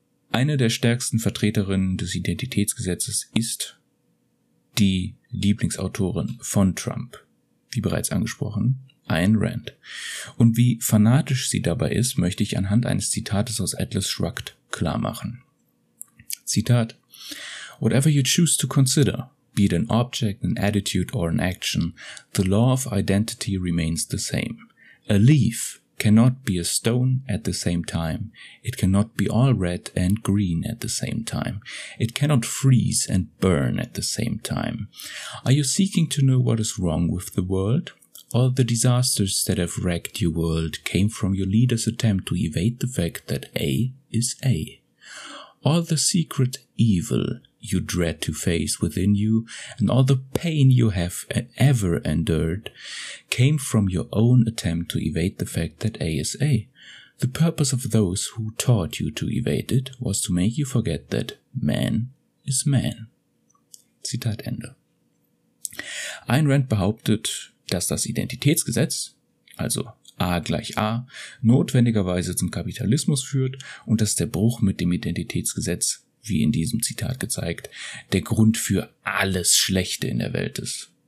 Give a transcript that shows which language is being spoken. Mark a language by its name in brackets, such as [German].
[German] Eine der stärksten Vertreterinnen des Identitätsgesetzes ist die Lieblingsautorin von Trump, wie bereits angesprochen, Ayn Rand. Und wie fanatisch sie dabei ist, möchte ich anhand eines Zitates aus Atlas Shrugged klarmachen. [English] Zitat: Whatever you choose to consider, be it an object, an attitude or an action, the law of identity remains the same. A leaf cannot be a stone at the same time. It cannot be all red and green at the same time. It cannot freeze and burn at the same time. Are you seeking to know what is wrong with the world? All the disasters that have wrecked your world came from your leader's attempt to evade the fact that A is A. All the secret evil you dread to face within you, and all the pain you have ever endured, came from your own attempt to evade the fact that A is A. The purpose of those who taught you to evade it was to make you forget that man is man. [German] Zitat Ende. Ayn Rand behauptet, dass das Identitätsgesetz, also A gleich A, notwendigerweise zum Kapitalismus führt und dass der Bruch mit dem Identitätsgesetz, wie in diesem Zitat gezeigt, der Grund für alles Schlechte in der Welt ist.